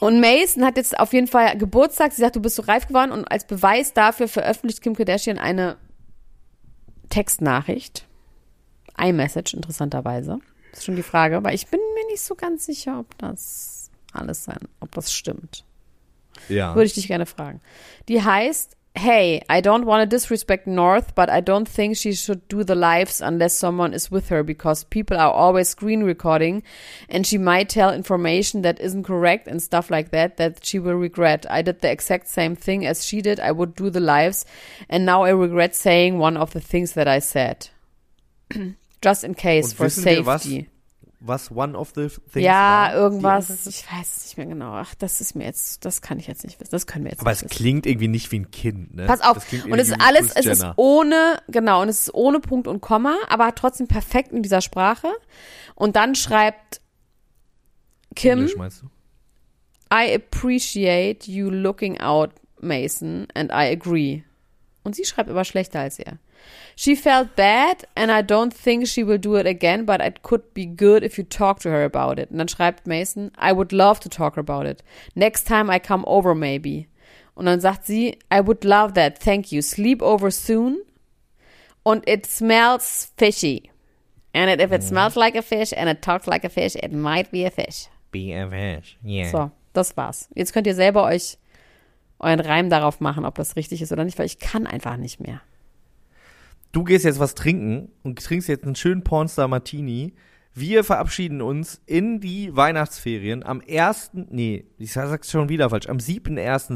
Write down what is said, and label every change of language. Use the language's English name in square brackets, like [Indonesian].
[German] Und Mason hat jetzt auf jeden Fall Geburtstag. Sie sagt, du bist so reif geworden. Und als Beweis dafür veröffentlicht Kim Kardashian eine Textnachricht. iMessage, interessanterweise. Das ist schon die Frage. Aber ich bin mir nicht so ganz sicher, ob das alles sein, ob das stimmt. Ja. Würde ich dich gerne fragen. Die heißt: [English] Hey, I don't want to disrespect North, but I don't think she should do the lives unless someone is with her, because people are always screen recording and she might tell information that isn't correct and stuff like that, that she will regret. I did the exact same thing as she did. I would do the lives and now I regret saying one of the things that I said. Just in case, [German] und [English] for safety. Was one of the things [German] ja, war? Ja, irgendwas, ich weiß es nicht mehr genau. Ach, das ist mir jetzt, das kann ich jetzt nicht wissen. Das können wir jetzt aber nicht Aber es klingt irgendwie nicht wie ein Kind, ne? Pass auf, und es ist alles, es ist ohne, genau, und es ist ohne Punkt und Komma, aber trotzdem perfekt in dieser Sprache. Und dann schreibt Kim, Englisch meinst du? [English] I appreciate you looking out, Mason, and I agree. [German] Und sie schreibt aber schlechter als er. [English] She felt bad and I don't think she will do it again, but it could be good if you talk to her about it. [German] Und dann schreibt Mason, [English] I would love to talk about it. Next time I come over maybe. [German] Und dann sagt sie, [English] I would love that, thank you. Sleep over soon. [German] Und [English] it smells fishy. And if it smells like a fish and it talks like a fish, it might be a fish. Be a fish, yeah. [German] So, das war's. Jetzt könnt ihr selber euch euren Reim darauf machen, ob das richtig ist oder nicht, weil ich kann einfach nicht mehr. Du gehst jetzt was trinken und trinkst jetzt einen schönen Pornstar Martini. Wir verabschieden uns in die Weihnachtsferien. Am 7.1.